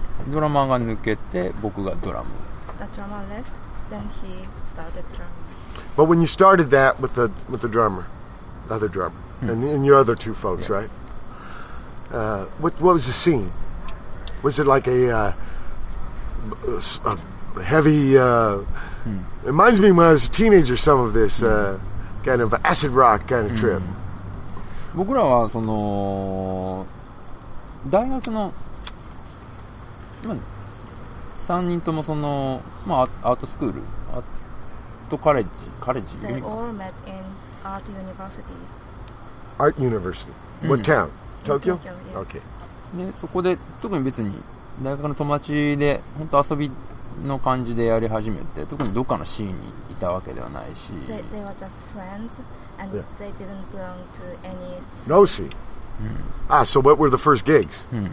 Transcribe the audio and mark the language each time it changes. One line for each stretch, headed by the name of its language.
Japanese: ドラマーが抜けて僕がドラム。
English: The drummer left, then he started drumming. But when you started that with the drummer, the other drummer, and your other two folks, yeah. Right? What was the scene? Was it like a heavy? It reminds me when I was a teenager. Some of this kind of acid rock kind of trip.
Japanese: 僕らはその大学の3人ともその、まあ、アートスクール、アートカレッジ、カレッジ。
English: They all met in art university. Art university. What town? Tokyo? Tokyo, yeah. Okay.
Japanese: で、そこで特に別に大学の友達で本当遊びの感じでやり始めて、特にどっかのシーンにいたわけではないし。
English: They were just friends and they didn't belong to any No scene. Ah, so what were the first gigs?